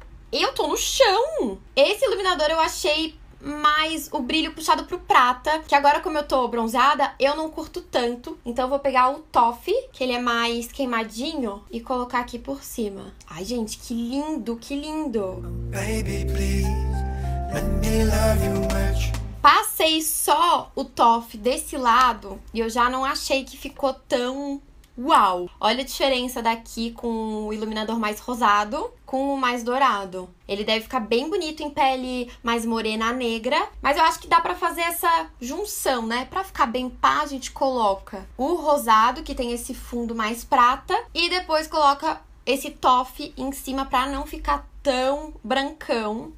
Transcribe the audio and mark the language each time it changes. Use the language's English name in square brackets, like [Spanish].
[Portuguese] Eu tô no chão! Esse iluminador eu achei mais o brilho puxado pro prata. Que agora, como eu tô bronzeada, eu não curto tanto. Então, eu vou pegar o Toffee, que ele é mais queimadinho, e colocar aqui por cima. Ai, gente, que lindo, que lindo! [English] Baby, please, let me love you much. [Portuguese] Passei só o Toffee desse lado e eu já não achei que ficou tão uau! Olha a diferença daqui com o iluminador mais rosado com o mais dourado. Ele deve ficar bem bonito em pele mais morena, negra. Mas eu acho que dá para fazer essa junção, né? Para ficar bem pá, a gente coloca o rosado, que tem esse fundo mais prata, e depois coloca esse toffee em cima para não ficar tão brancão.